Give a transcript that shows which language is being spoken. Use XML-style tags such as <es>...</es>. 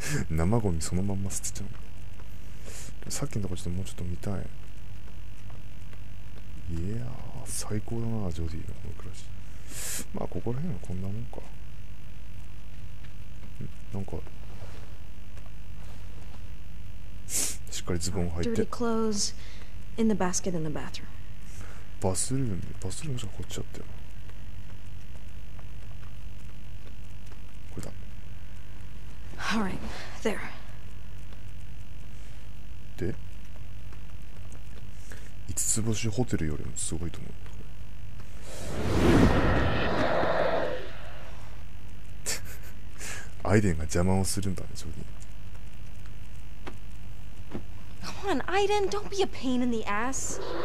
<ja>生ゴミそのまんま捨てちゃう。さっきのとこちょっともうちょっと見たい。いやー、最高だな、ジョディのこの暮らし。まあここら辺はこんなもんか。ん、なんかしっかりズボン履いて。</ja> <en>Dirty clothes in the basket in the bathroom.</en> <ja>バスルーム、バスルームじゃこっちだったよ。これだ。</ja> <en>All right, there.</en> <ja>5つ星ホテルよりもすごいと思う。アイデンが邪魔をするんだね、ジョディ。</ja> <en>Come on, Aiden, don't be a pain in the ass.</en>